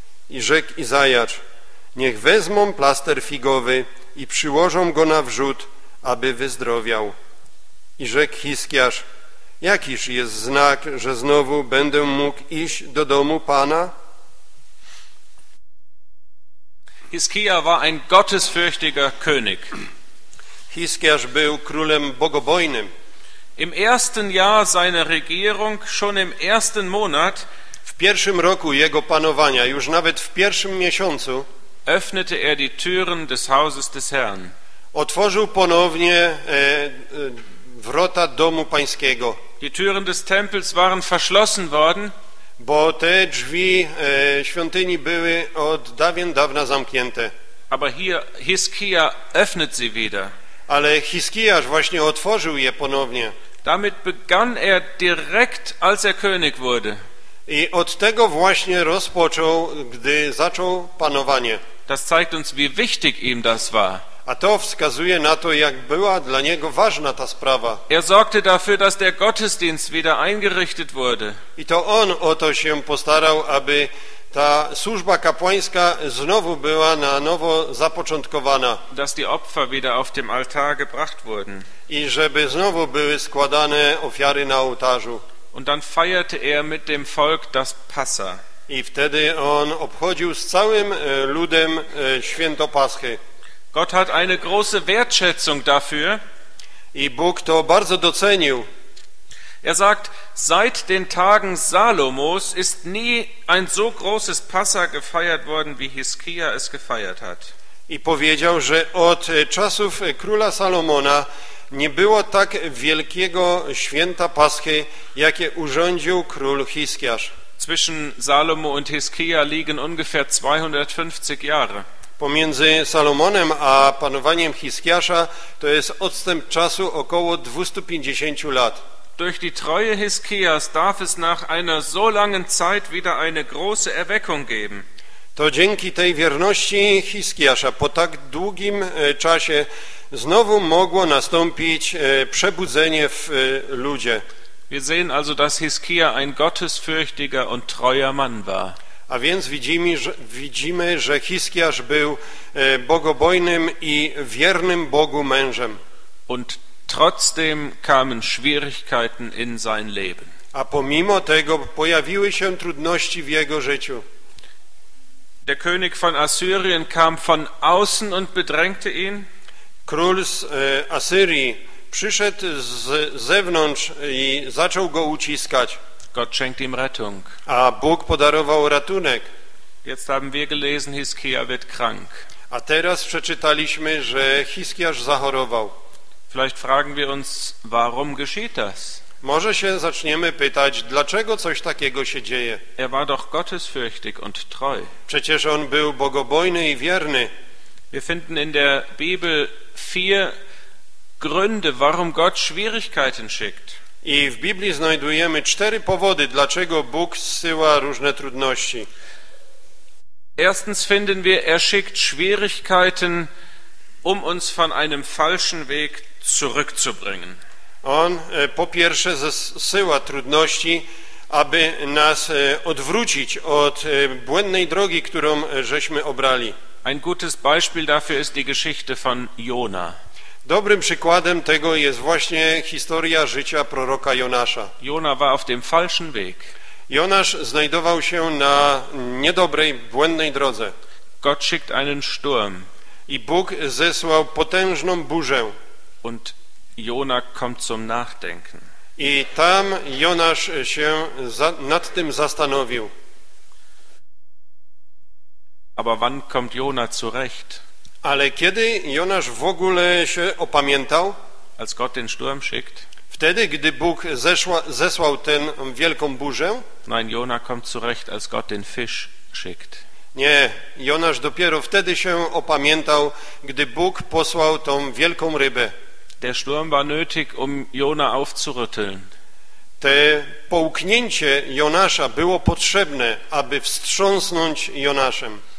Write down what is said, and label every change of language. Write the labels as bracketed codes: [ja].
[pl] I rzekł Izajasz: Niech wezmą plaster figowy i przyłożą go na wrzód, aby wyzdrowiał. I rzekł Hiskiasz: Jakiż jest znak, że znowu będę mógł iść do domu Pana? [de] Hiskia war ein gottesfürchtiger König. [pl] Hiskiasz był królem bogobojnym. [de] Im ersten Jahr seiner Regierung, schon im ersten Monat, [pl] w pierwszym roku jego panowania, już nawet w pierwszym miesiącu, [de] öffnete er die Türen des Hauses des Herrn. [pl] Otworzył ponownie wrota domu pańskiego. [de] Die Türen des Tempels waren verschlossen worden, [pl] bo te drzwi świątyni były od dawien dawna zamknięte. [de] Aber hier Hiskia öffnet sie wieder. [pl] Ale Hiskiasz właśnie otworzył je ponownie. [de] Damit begann er direkt, als er König wurde. [pl] I od tego właśnie rozpoczął, gdy zaczął panowanie. [de] Das zeigt uns, wie wichtig ihm das war. [pl] A to wskazuje na to, jak była dla niego ważna ta sprawa. [de] Er sorgte dafür, dass der Gottesdienst wieder eingerichtet wurde. [pl] I to on o to się postarał, aby ta służba kapłańska znowu była na nowo zapoczątkowana. [de] Dass die Opfer wieder auf dem Altar gebracht wurden. [pl] I żeby znowu były składane ofiary na ołtarzu. [de] Und dann feierte er mit dem Volk das Passa. [pl] I wtedy on obchodził z całym ludem święto Paschy. [de] Gott hat eine große Wertschätzung dafür. [pl] I Bóg to bardzo docenił. [de] Er sagt, seit den Tagen Salomos ist nie ein so großes Passa gefeiert worden, wie Hiskia es gefeiert hat. [pl] I powiedział, że od czasów króla Salomona nie było tak wielkiego święta Paschy, jakie urządził król Hiskiasz. [de] Zwischen Salomo und Hiskia liegen ungefähr 250 Jahre. [pl] Pomiędzy Salomonem a panowaniem Hiskiasza to jest odstęp czasu około 250 lat. [de] Durch die Treue Hiskias darf es nach einer so langen Zeit wieder eine große Erweckung geben. [pl] To dzięki tej wierności Hiskiasza po tak długim czasie znowu mogło nastąpić przebudzenie w ludzie. [de] Wir sehen also, dass Hiskia ein gottesfürchtiger und treuer Mann war. [pl] A więc widzimy, że Hiskiasz był bogobojnym i wiernym Bogu mężem. [de] Und trotzdem kamen Schwierigkeiten in sein Leben. [pl] A pomimo tego pojawiły się trudności w jego życiu. [de] Der König von Assyrien kam von außen und bedrängte ihn. [pl] Król z Asyrii przyszedł z zewnątrz i zaczął go uciskać. [de] Gott schenkt ihm Rettung. [pl] A Bóg podarował ratunek. [de] Jetzt haben wir gelesen, Hiskia wird krank. [pl] A teraz przeczytaliśmy, że Hiskiasz zachorował. [de] Vielleicht fragen wir uns, warum geschieht das? [pl] Może się zaczniemy pytać, dlaczego coś takiego się dzieje? [de] Er war doch gottesfürchtig und treu. [pl] Przecież on był bogobojny i wierny. [de] Wir finden in der Bibel vier Gründe, warum Gott Schwierigkeiten schickt. [pl] I w Biblii znajdujemy cztery powody, dlaczego Bóg zsyła różne trudności. [de] Erstens finden wir, er schickt Schwierigkeiten, um uns von einem falschen Weg zurückzubringen. [pl] On po pierwsze zsyła trudności, aby nas odwrócić od błędnej drogi, którą żeśmy obrali. [de] Ein gutes Beispiel dafür ist die Geschichte von Jona. [pl] Dobrym przykładem tego jest właśnie historia życia proroka Jonasza. [de] Jona war auf dem falschen Weg. [pl] Jonasz znajdował się na niedobrej, błędnej drodze. [de] Gott schickt einen Sturm. [pl] I Bóg zesłał potężną burzę. [de] Und Jona kommt zum Nachdenken. [pl] I tam Jonasz się nad tym zastanowił. [de] Aber wann kommt Jona zurecht? [pl] Ale kiedy Jonasz w ogóle się opamiętał? [de] Als Gott den Sturm schickt. [pl] Wtedy, gdy Bóg zesłał tę wielką burzę? [de] Nein, Jona kommt zurecht, als Gott den Fisch schickt. [pl] Nie, Jonasz dopiero wtedy się opamiętał, gdy Bóg posłał tą wielką rybę. [de] Der Sturm war nötig, um Jona aufzurütteln. [pl] Te połknięcie Jonasza było potrzebne, aby wstrząsnąć Jonaszem.